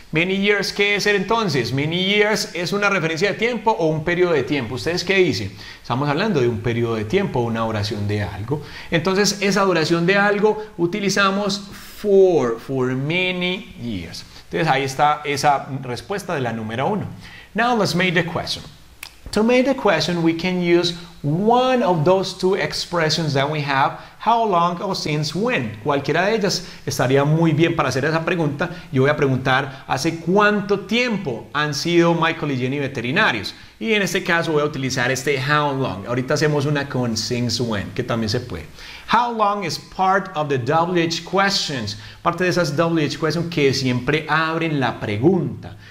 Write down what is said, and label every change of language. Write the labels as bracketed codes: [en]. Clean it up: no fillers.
[es] Many years, ¿qué es ser entonces? Many years es una referencia de tiempo o un periodo de tiempo. ¿Ustedes qué dicen? Estamos hablando de un periodo de tiempo, una duración de algo. Entonces, esa duración de algo utilizamos for many years. Entonces, ahí está esa respuesta de la número uno. [en] Now, let's make the question. To make the question, we can use one of those two expressions that we have, how long or since when. [es] Cualquiera de ellas estaría muy bien para hacer esa pregunta. Yo voy a preguntar, ¿hace cuánto tiempo han sido Michael y Jenny veterinarios? Y en este caso voy a utilizar este how long. Ahorita hacemos una con since when, que también se puede. How long is part of the WH questions, parte de esas WH questions que siempre abren la pregunta.